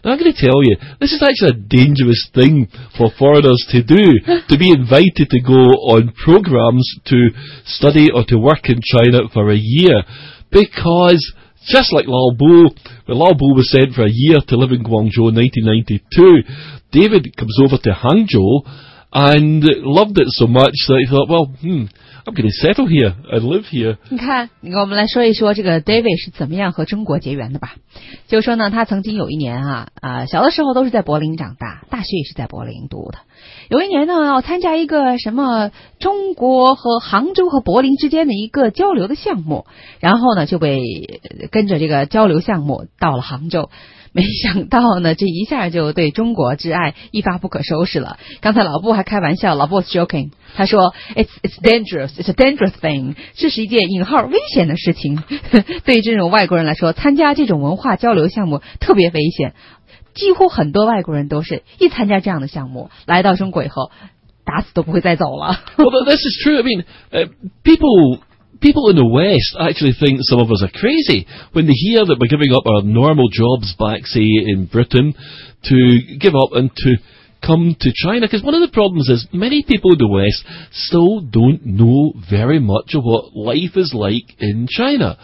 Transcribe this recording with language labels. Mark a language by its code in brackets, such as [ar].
[en] Now I'm going to tell you, this is actually a dangerous thing for foreigners to do, to be invited to go on programs to study or to work in China for a year, because just like Lao Bo, when Lao Bo was sent for a year to live in Guangzhou in 1992, David comes over to Hangzhou,and loved it so much that he thought, well, I'm going to settle here and live here. [zh] 你看，我们来说一说这个 David 是怎么样和中国结缘的吧。就说呢，他曾经有一年啊，小的时候都是在柏林长大，大学也是在柏林读的。有一年呢，要参加一个什么中国和杭州和柏林之间的一个交流的项目，然后呢就被跟着这个交流项目到了杭州。没想到呢，这一下就对中国之爱一发不可收拾了。刚才老布还开玩笑，老布 [en] was joking， [zh] 他说 [en] it's a dangerous thing， [zh] 这是一件引号危险的事情。对于这种外国人来说，参加这种文化交流项目特别危险，几乎很多外国人都是一参加这样的项目，来到中国以后，打死都不会再走了。 [en] Well, this is true. I mean, people people in the West actually think some of us are crazy when they hear that we're giving up our normal jobs back, say, in Britain, to give up and to come to China. Because one of the problems is many people in the West still don't know very much of what life is like in China.